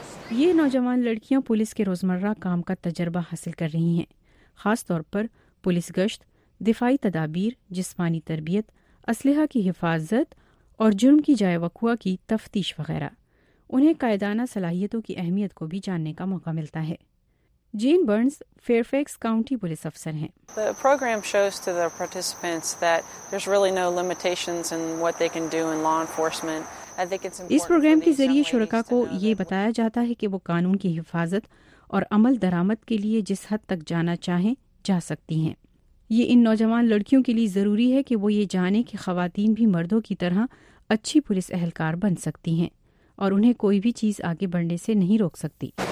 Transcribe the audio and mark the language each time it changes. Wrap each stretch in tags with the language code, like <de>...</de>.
<ur>یہ نوجوان لڑکیاں پولیس کے روزمرہ کام کا تجربہ حاصل کر رہی ہیں, خاص طور پر پولیس گشت, دفاعی تدابیر, جسمانی تربیت, اسلحہ کی حفاظت اور جرم کی جائے وقوع کی تفتیش وغیرہ. انہیں قائدانہ صلاحیتوں کی اہمیت کو بھی جاننے کا موقع ملتا ہے. Jain burns fair fax county police افسر ہیں.</ur> <en>The program shows to the participants that there's really no limitations in what they can do in law enforcement.</en> <ur>اس programme کے ذریعے شرکا کو یہ بتایا جاتا ہے کہ وہ قانون کی حفاظت اور عمل درآمد کے لیے جس حد تک جانا چاہیں جا سکتی ہیں. یہ ان نوجوان لڑکیوں کے لیے ضروری ہے کہ وہ یہ جانیں کہ خواتین بھی مردوں کی طرح اچھی پولیس اہلکار بن سکتی ہیں اور انہیں کوئی بھی چیز آگے بڑھنے سے نہیں روک سکتی.</ur>